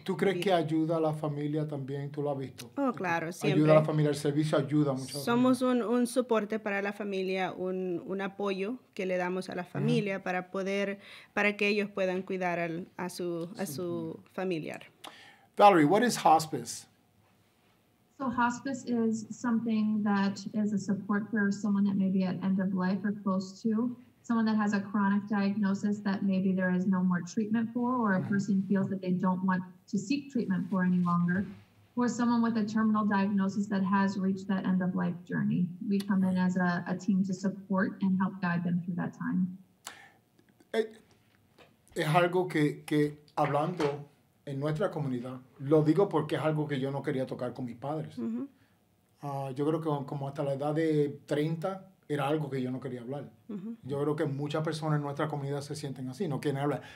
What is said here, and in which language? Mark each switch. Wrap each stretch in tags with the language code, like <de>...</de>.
<es>¿Tú crees que ayuda a la familia también? ¿Tú lo has visto? Oh, claro, siempre. Ayuda a la familia, el servicio ayuda mucho. Somos un soporte para la familia, un apoyo que le damos a la familia para que ellos puedan cuidar a su familiar.</es> <en>Valerie, what is hospice? So hospice is something that is a support for someone that may be at end of life or close to. Someone that has a chronic diagnosis that maybe there is no more treatment for, or a person feels that they don't want to seek treatment for any longer, or someone with a terminal diagnosis that has reached that end of life journey. We come in as a team to support and help guide them through that time.</en> <es>Es algo que hablando en nuestra comunidad, lo digo porque es algo que yo no quería tocar con mis padres. Yo creo que como hasta la edad de 30, era algo que yo no quería hablar. Yo creo que muchas personas en nuestra comunidad se sienten así, no quieren hablar.</es>